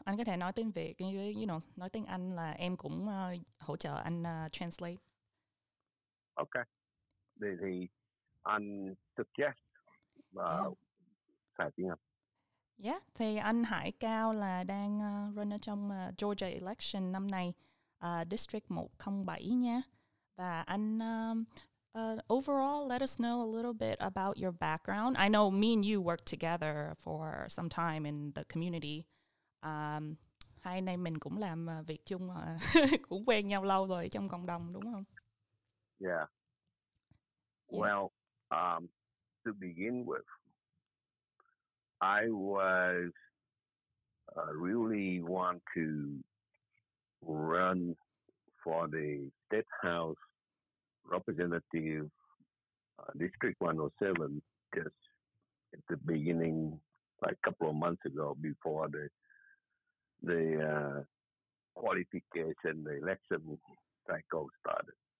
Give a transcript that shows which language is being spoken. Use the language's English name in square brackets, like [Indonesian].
[Vietnamese] Anh có thể nói tiếng Việt, [English] you know, [Vietnamese] nói tiếng Anh là em cũng hỗ trợ anh translate. Okay. Thì anh suggest xài tiếng Anh. Yeah, thì anh Hải Cao là đang runner trong Georgia election năm nay, District 107 nha. Và anh, [English] overall, let us know a little bit about your background. I know me and you worked together for some time in the community. [Vietnamese] Hai anh em mình cũng làm việc chung, cũng quen nhau lâu rồi trong cộng đồng, đúng không? Yeah. [English] Well, to begin with, I was really want to run for the State House Representative District 107 just at the beginning, like a couple of months ago, before the qualification, the election cycle started.